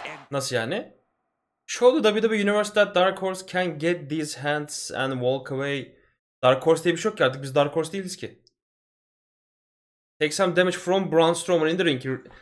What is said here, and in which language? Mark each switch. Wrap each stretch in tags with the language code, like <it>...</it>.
<tr>Nasıl yani?</tr> <en>Show the WWE Universe that Dark Horse can get these hands and walk away.</en> <tr>Dark Horse diye bir şey yok ki, artık biz Dark Horse değiliz ki.</tr> <en>Take some damage from Braun Strowman in the ring.</en>